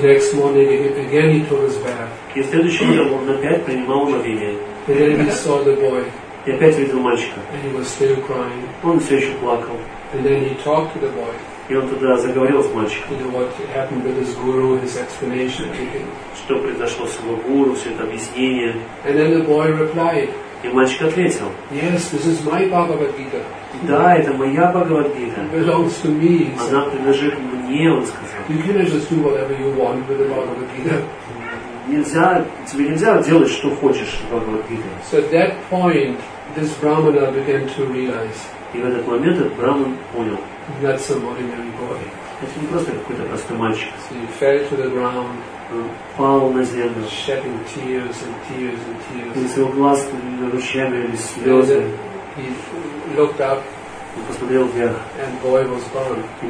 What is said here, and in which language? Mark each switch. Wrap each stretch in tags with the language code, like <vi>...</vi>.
<en>next morning again he took his bath.</en> <ru>И в следующий день он опять принимал умовение.</ru> <en>And then he saw the boy.</en> <ru>И опять видел мальчика.</ru> <en>And he was still crying.</en> <ru>Он все еще плакал.</ru> <en>And then he talked to the boy.</en> <ru>И он тогда заговорил с мальчиком.</ru> <en>You know what happened with his guru, his explanation.</en> <ru>Что произошло с его гуру, все это объяснение.</ru> <en>And then the boy replied.</en> <ru>И мальчик ответил.</ru> <en>Yes, this is my Bhagavad Gita.</en> <ru>Да, это моя Бхагавад Гита.</ru> <en>Belongs to me.</en> <ru>Она принадлежит мне, он сказал.</ru> <en>You cannot just do whatever you want with the Bhagavad Gita.</en> <ru>Нельзя, тебе нельзя делать, что хочешь в Бхагавад Гите.</ru> <en>So at that point, this Brahmana began to realize.</en> <ru>И в этот момент этот Брахман понял.</ru> <en>That's an ordinary boy.</en> <ru>Это не просто какой-то простой мальчик.</ru> <en>So he fell to the ground.</en> <ru>Упал на землю.</ru> <en>Shedding tears and tears and tears.</en> <ru>Из его глаз ручьями лились слезы.</ru> <en>He looked up, and boy was gone.</en>